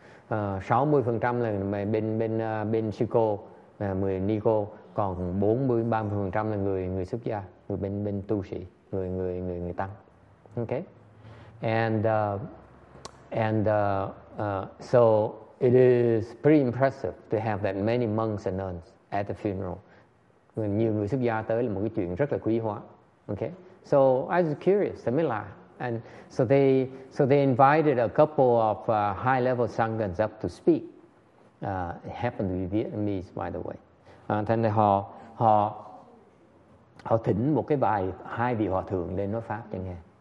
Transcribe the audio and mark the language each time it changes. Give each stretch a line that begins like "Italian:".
Vietnamese: 60% là bên sư cô, là 10 ni cô, còn 40-30% là người xuất gia. Người bên tu sĩ, người tăng.
English: Okay? And so it is pretty impressive to have that many monks and nuns at the funeral.
Vietnamese: Nhiều người xuất gia tới là một cái chuyện rất là quý hóa.
English: Okay? So I was curious, I mean, like, and so they invited a couple of high level sanghans up to speak. It happened to be Vietnamese, by the way.
Vietnamese: Thành ra họ thỉnh một cái bài hai vị hòa thượng lên nói pháp cho nghe.